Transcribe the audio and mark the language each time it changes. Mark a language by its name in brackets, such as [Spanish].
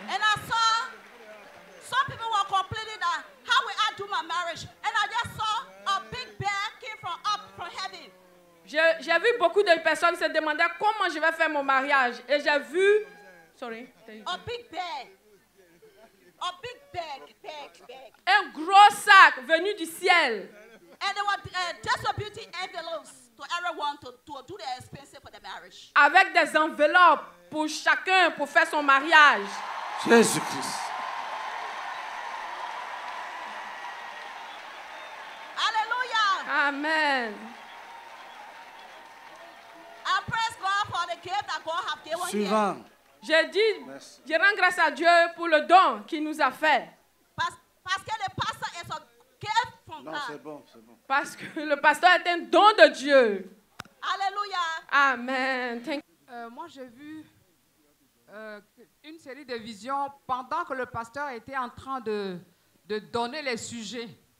[English] And I saw some people were complaining that how will I do my marriage? And I just saw a big bear came from up from heaven. [French] J'ai vu beaucoup de personnes se demandaient comment je vais faire mon mariage. Et j'ai vu [English] a big bear. A big bag. [French] Un gros sac venu du ciel. [English] And they were distributing envelopes to everyone to do the expenses for the marriage. [French] Avec des enveloppes pour chacun pour faire son mariage. Jésus Christ. Alléluia. Amen. [English] I praise God for the gift that God has given here. [French] Suivant. Je dis, je rends grâce à Dieu pour le don qu'il nous a fait. Parce que le pasteur est un [English] gift from God. [French] Non, c'est bon, c'est bon. Parce que le pasteur est un don de Dieu. Alléluia. Amen. Moi, j'ai vu une série de visions pendant que le pasteur était en train de donner les sujets.